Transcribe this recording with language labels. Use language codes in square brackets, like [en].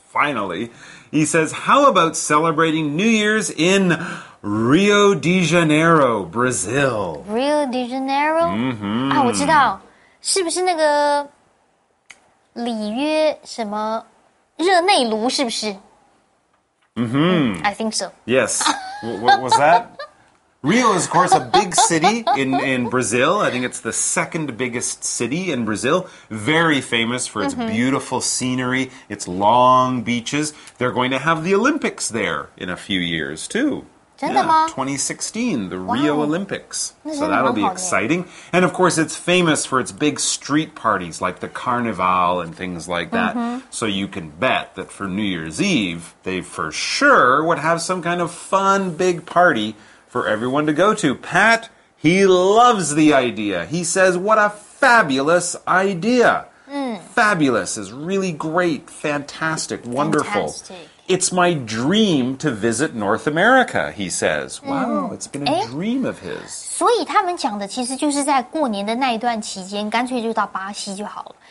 [en] Finally, he says, how about celebrating New Year's in Rio de Janeiro, Brazil? Rio de Janeiro? Mm-hmm. [zh] 啊，我知道，是不是那个里约什么热内卢，是不是？ Mm-hmm. Mm, [en] I think so. Yes. What was that? Rio is, of course, a big city in Brazil. I think it's the second biggest city in Brazil. Very famous for its beautiful scenery, its long beaches. They're going to have the Olympics there in a few years, too. [zh] 真的吗? [en] Yeah, 2016, the Rio Olympics. So that'll be exciting. And, of course, it's famous for its big street parties, like the Carnival and things like that. Mm-hmm. So you can bet that for New Year's Eve, they for sure would have some kind of fun big party,for everyone to go to. Pat, he loves the idea. He says, what a fabulous idea. Fabulous is really great, fantastic, wonderful. Fantastic. It's my dream to visit North America, he says. Wow, it's been a dream of his. [zh] 所以他们讲的其实就是在过年的那一段期间，干脆就到巴西就好了。